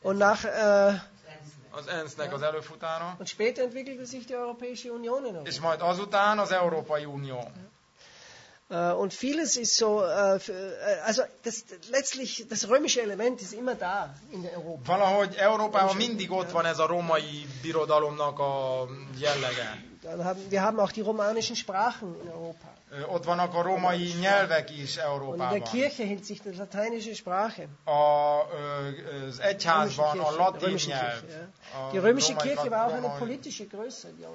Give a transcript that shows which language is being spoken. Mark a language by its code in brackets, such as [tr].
[hu] Az ENSZ-nek az előfutára. [de] Und später entwickelte sich die Europäische Union in [hu] Europa. És majd azután az Európai Unió. [de] Und vieles ist so, also das letztlich das römische Element ist immer da in der Europa. [hu] Valahogy Európában mindig ott van ez a római birodalomnak a jellege. [de] Wir haben auch die romanischen Sprachen in Europa. [hu] Ott vannak a római nyelvek is Európában. [de] Und in der Kirche hält sich die lateinische Sprache. [hu] Az egyházban a latin nyelv. [de] Die römische Kirche war auch eine politische Größe.